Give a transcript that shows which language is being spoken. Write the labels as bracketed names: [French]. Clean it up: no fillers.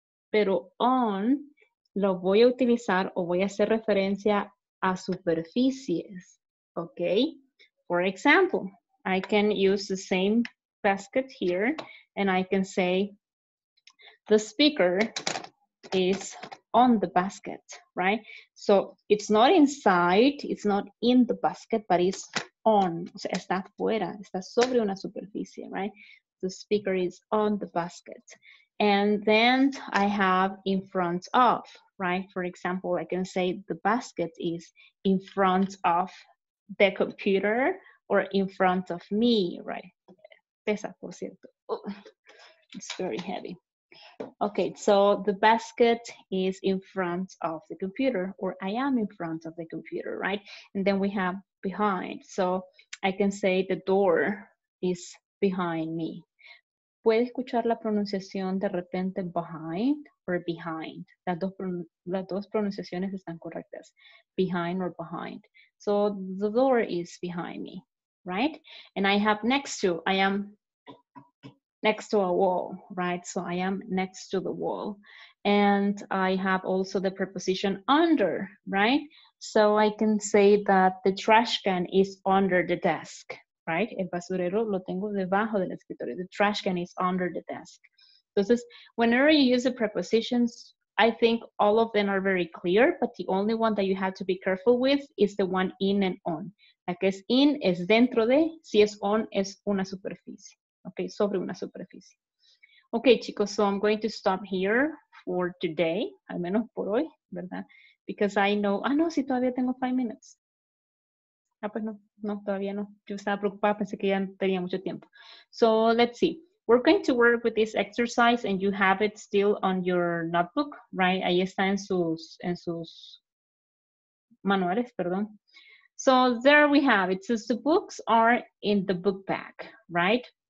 [Spanish] Pero on lo voy a utilizar o voy a hacer referencia a superficies, okay? [English] For example, I can use the same basket here and I can say the speaker is on the basket, right? So it's not inside, it's not in the basket, but it's on. [Spanish] O sea, está fuera, está sobre una superficie, right? [English] The speaker is on the basket. And then I have in front of, right? For example, I can say the basket is in front of the computer or in front of me, right? [Spanish] Pesa, por cierto. [English] Oh, it's very heavy. Okay, so the basket is in front of the computer, or I am in front of the computer, right? And then we have behind. So I can say the door is behind me. [Spanish] ¿Puede escuchar la pronunciación de repente behind or behind? Las dos pronunciaciones están correctas. Behind or behind. [English] So the door is behind me, right? And I have next to, I am next to a wall, right? So I am next to the wall. And I have also the preposition under, right? So I can say that the trash can is under the desk, right? [Spanish] El basurero lo tengo debajo del escritorio. [English] The trash can is under the desk. Entonces, whenever you use the prepositions, I think all of them are very clear, but the only one that you have to be careful with is the one in and on. [Spanish] La que es in es dentro de, si es on es una superficie. Okay, sobre una superficie. Okay, chicos, [English] so I'm going to stop here for today, [Spanish] al menos por hoy, ¿verdad? [English] Because I know, [Spanish] ah, no, si todavía tengo 5 minutes. Ah, pues no, no, todavía no. Yo estaba preocupada, pensé que ya tenía mucho tiempo. [English] So, let's see. We're going to work with this exercise and you have it still on your notebook, right? [Spanish] Ahí está en sus manuales, perdón. [English] So, there we have it. It says the books are in the book bag, right?